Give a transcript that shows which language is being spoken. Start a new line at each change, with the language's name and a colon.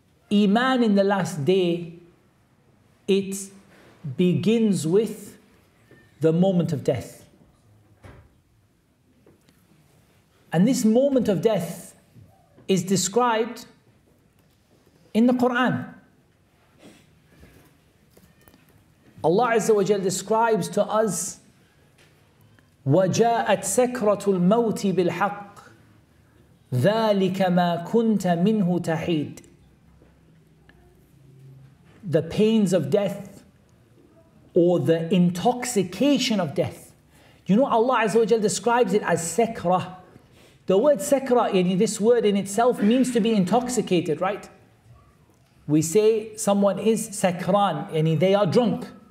English: Iman in the last day, it begins with the moment of death. And this moment of death is described in the Quran. Allah Azza wa Jalla describes to us,
Arabic: وَجَاءَتْ سَكْرَةُ الْمَوْتِ بِالْحَقِّ ذَلِكَ مَا كُنْتَ مِنْهُ تَحِيدٌ.
English: The pains of death, or the intoxication of death. You know, Allah Azza wa Jalla describes it as sakra. The word sakra, this word in itself, means to be intoxicated, right? We say someone is sakran, they are drunk.